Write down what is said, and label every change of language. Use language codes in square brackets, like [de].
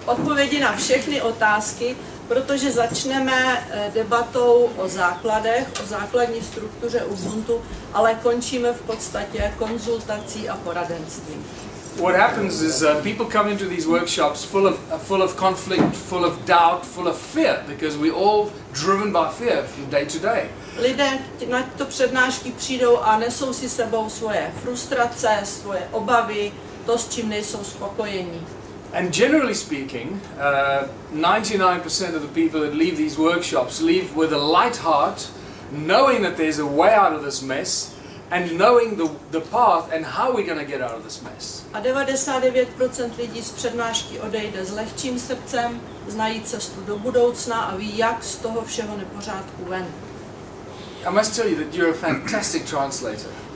[cs] Odpovědi na všechny otázky. Protože začneme debatou o základech, o základní struktuře Ubuntu, ale končíme v podstatě konzultací a poradenství. [en] What happens is people come into these workshops full of conflict, full of doubt, full of fear, because we all driven by fear from day to day. [cs] Lidé na to přednášky přijdou a nesou si sebou svoje frustrace, svoje obavy, to, s čím nejsou spokojení. [en] And generally speaking, 99% of the people that leave these workshops leave with a light heart, knowing that there's a way out of this mess, and knowing the path and how we're going to get out of this mess. [cs] A 99% lidí z přednášky odejde s lehčím srdcem, znají cestu do budoucna a ví, jak z toho všeho nepořádku ven. [en] I must tell you that you're a fantastic translator.